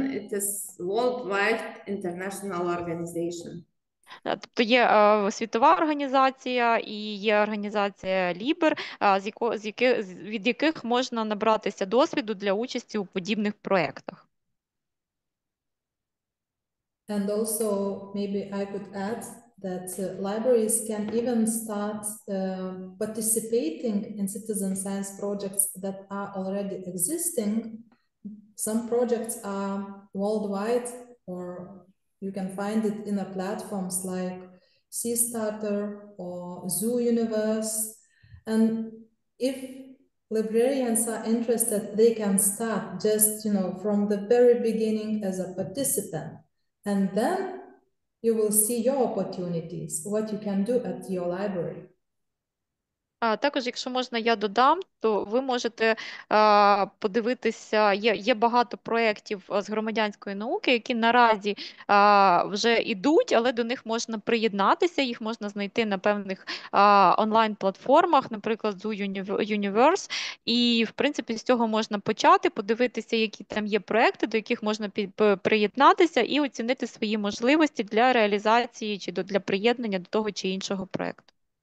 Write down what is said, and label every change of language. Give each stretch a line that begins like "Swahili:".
English: It is worldwide international organization.
Ukrainian: Тобто є світова організація і є організація Liber, від яких можна набратися досвіду для участі у подібних проєктах.
English: And also, maybe I could add that libraries can even start participating in citizen science projects that are already existing. Some projects are worldwide, or you can find it in a platforms like SeaStarter or Zoo Universe. And if librarians are interested, they can start just, you know, from the very beginning as a participant. And then you will see your opportunities, what you can do at your library.
Ukrainian: Також, якщо можна, я додам, то ви можете подивитися, є багато проєктів з громадянської науки, які наразі вже йдуть, але до них можна приєднатися, їх можна знайти на певних онлайн-платформах, наприклад, Zoo Universe, і, в принципі, з цього можна почати, подивитися, які там є проєкти, до яких можна приєднатися і оцінити свої можливості для реалізації чи для приєднання до того чи іншого проєкту.